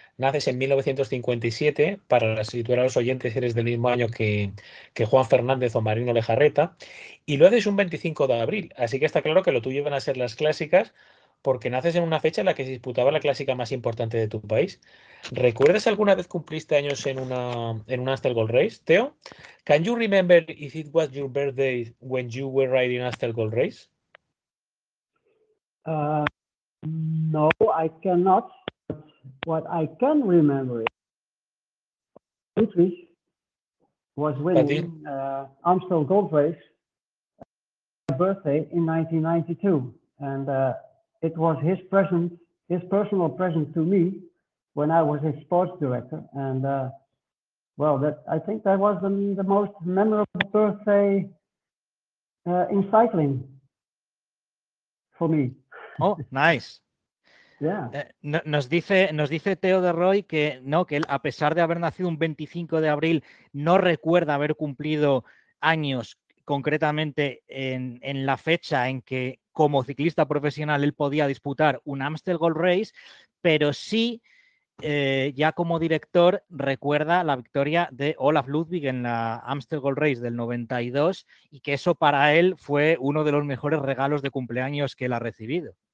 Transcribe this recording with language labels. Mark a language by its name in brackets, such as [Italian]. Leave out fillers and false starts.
[Spanish] Naces en 1957, para situar a los oyentes, eres del mismo año que Juan Fernández o Marino Lejarreta, y lo haces un 25 de abril, así que está claro que lo tuyo iban a ser las clásicas, porque naces en una fecha en la que se disputaba la clásica más importante de tu país. ¿Recuerdas alguna vez cumpliste años en una Astel Gold Race, Theo? [English] Can you remember if it was your birthday when you were riding Astel Gold Race? No, I cannot. What I can remember is Dietrich was winning Amstel Gold Race on my birthday in 1992. And it was his personal present to me when I was his sports director. And I think that was the most memorable birthday in cycling for me. Oh, nice. [Spanish] Nos dice Theo de Roy que él, a pesar de haber nacido un 25 de abril, no recuerda haber cumplido años concretamente en la fecha en que como ciclista profesional él podía disputar un Amstel Gold Race, pero sí, ya como director, recuerda la victoria de Olaf Ludwig en la Amstel Gold Race del 92 y que eso para él fue uno de los mejores regalos de cumpleaños que él ha recibido.